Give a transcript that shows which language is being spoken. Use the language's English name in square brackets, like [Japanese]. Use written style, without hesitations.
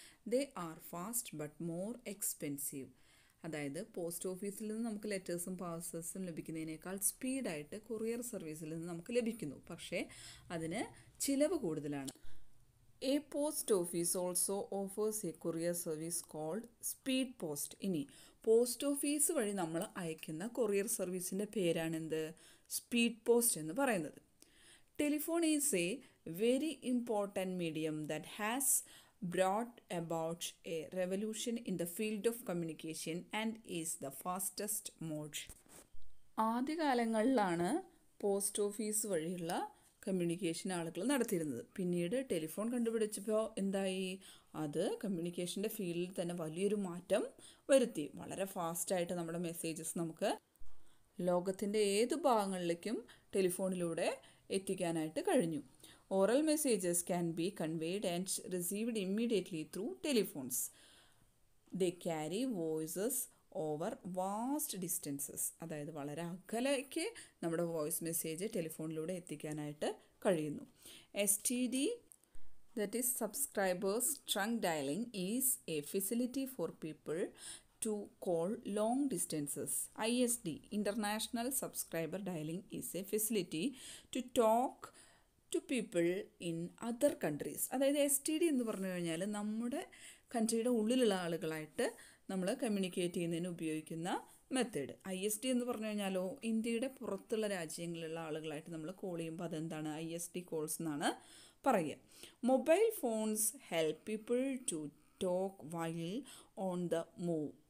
[English] They are fast but more expensive. [Malayalam] അതായത് post ഓഫീസിൽ നിന്ന് നമുക്ക് ലെറ്റേഴ്സും പാഴ്സൽസും ലഭിക്കുന്നതിനേക്കാൾ സ്പീഡായിട്ട് കൊറിയർ സർവീസിൽ നിന്ന് നമുക്ക് ലഭിക്കുന്നു. പക്ഷേ അതിന് ചിലവ് കൂടുതലാണ്. [English] A post office also offers a courier service called speed post. [Malayalam] ഇനി പോസ്റ്റ് ഓഫീസ് വഴി നമ്മൾ അയക്കുന്ന കൊറിയർ സർവീസിൻ്റെ പേരാണെന്ത്? സ്പീഡ് പോസ്റ്റ് എന്ന് പറയുന്നത്. [English] Telephone is a very important medium that has brought about a revolution in the field of communication and is the fastest mode. [Malayalam] ആദ്യകാലങ്ങളിലാണ് post office വഴിയുള്ള communication ആളുകൾ നടത്തിയിരുന്നത്. പിന്നീട് ടെലിഫോൺ കണ്ടുപിടിച്ചപ്പോൾ എന്തായി? അത് കമ്മ്യൂണിക്കേഷൻ്റെ ഫീൽഡിൽ തന്നെ വലിയൊരു മാറ്റം വരുത്തി. വളരെ ഫാസ്റ്റായിട്ട് നമ്മുടെ മെസ്സേജസ് നമുക്ക് ലോകത്തിൻ്റെ ഏത് ഭാഗങ്ങളിലേക്കും ടെലിഫോണിലൂടെ എത്തിക്കാനായിട്ട് കഴിഞ്ഞു. [English] Oral messages can be conveyed and received immediately through telephones. The carry voices over vast distances, [Malayalam] അതായത് വളരെ അകലേക്ക് നമ്മുടെ വോയിസ് മെസ്സേജ് ടെലിഫോണിലൂടെ എത്തിക്കാനായിട്ട് കഴിയുന്നു. [English] STD, that is subscribers trunk dialing, is a facility for people to call long distances. ISD, international subscriber dialing, is a facility to talk to people in other countries. [Malayalam] അതായത് STD എന്ന് പറഞ്ഞു കഴിഞ്ഞാൽ നമ്മുടെ കൺട്രിയുടെ ഉള്ളിലുള്ള ആളുകളായിട്ട് നമ്മൾ കമ്മ്യൂണിക്കേറ്റ് ചെയ്യുന്നതിന് ഉപയോഗിക്കുന്ന മെത്തേഡ്. ISD എന്ന് പറഞ്ഞു കഴിഞ്ഞാലോ ഇന്ത്യയുടെ പുറത്തുള്ള രാജ്യങ്ങളിലുള്ള ആളുകളായിട്ട് നമ്മൾ കോൾ ചെയ്യുമ്പോൾ അതെന്താണ്? ISD കോൾസ് എന്നാണ് പറയുക. [English] Mobile phones help people to talk while on the move.